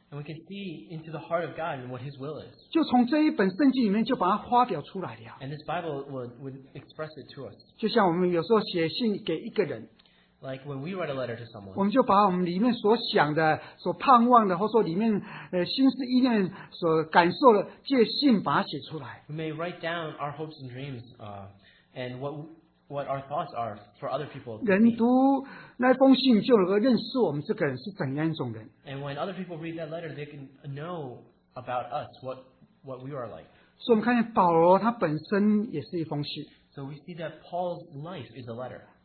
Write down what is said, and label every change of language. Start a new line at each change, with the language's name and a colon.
English: And we can see into the heart of God and what His will is.
Chinese: 就从这一本圣经里面就把它发表出来了。
English: And this Bible would express it to us.
Chinese: 就像我们有时候写信给一个人，
English: like when we write a letter to someone，
Chinese: 我们就把我们里面所想的、所盼望的，或者说里面心思意念所感受的，借信把它写出来。
English: We may write down our hopes and dreams, and what our thoughts are for other people.
Chinese: 人读那封信就能够认识我们这个人是怎样一种人。
English: And when other people read that letter, they can know about us, what we are like.
Chinese: 所以我们看见保罗他本身也是一封信。
English: So we see that Paul's life is a letter.